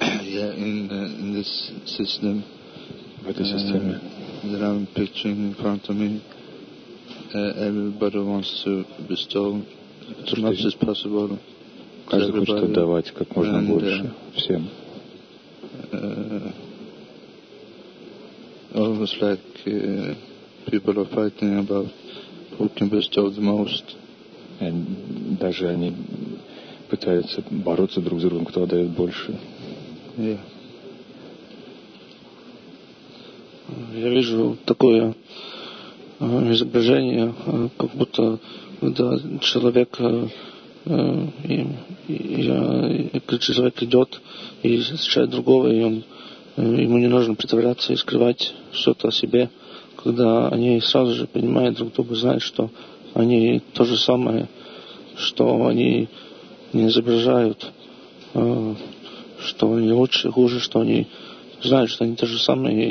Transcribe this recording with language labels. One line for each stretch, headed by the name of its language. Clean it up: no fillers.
Russian: В этой системе.
English: Everybody wants to bestow as much as possible.
Russian: Каждый хочет отдавать как можно
English: and,
Russian: больше всем.
English: Almost like people are fighting about who can bestow the most. And
Russian: даже они пытаются бороться друг с другом, кто отдает больше.
English: Yeah.
Russian: Я вижу такое изображение, как будто да, человек, человек идет и встречает другого, и он, ему не нужно притворяться и скрывать что-то о себе, когда они сразу же понимают друг друга, знают, что они то же самое, что они не изображают, что они лучше, хуже, что они знают, что они то же самое.